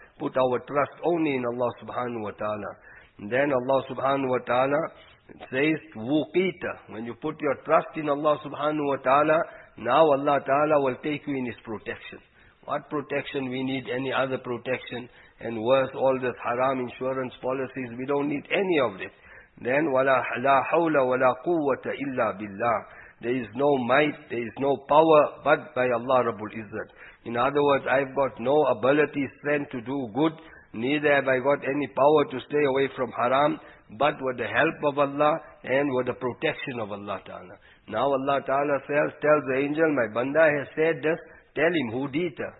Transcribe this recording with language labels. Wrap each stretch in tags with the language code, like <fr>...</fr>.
<en>Put our trust only in Allah subhanahu wa ta'ala. And then Allah subhanahu wa ta'ala says, wuqita. When you put your trust in Allah subhanahu wa ta'ala, now Allah ta'ala will take you in His protection. What protection we need? Any other protection? And worse, all this haram insurance policies, we don't need any of this.</en> <ar>Then, وَلَا حَوْلَ وَلَا قُوَّةَ إِلَّا بِاللَّهِ.</ar> <en>There is no might, there is no power, but by Allah Rabbul Izzat. In other words, I've got no ability, strength to do good, neither have I got any power to stay away from haram, but with the help of Allah, and with the protection of Allah Ta'ala. Now Allah Ta'ala tells the angel, my banda has said this, tell him, hudita.</en>